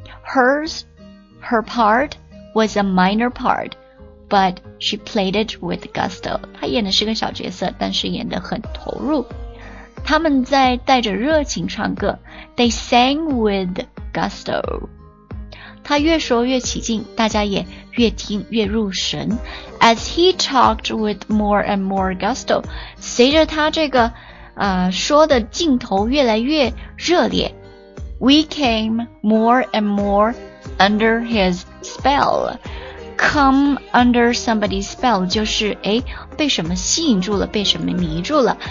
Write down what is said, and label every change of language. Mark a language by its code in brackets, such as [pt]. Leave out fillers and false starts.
[en] Hers, her part was a minor part, but she played it with gusto. [zh] 她演的是个小角色，但是演得很投入。他们在带着热情唱歌 ， [en] they sang with gusto. [zh] 他越说越起劲，大家也越听越入神。 [en] As he talked with more and more gusto, [zh] 随着他这个说的劲头越来越热烈 [en] ,we came more and more under his spell. Come under somebody's spell, [zh] 就是诶被什么吸引住了，被什么迷住了。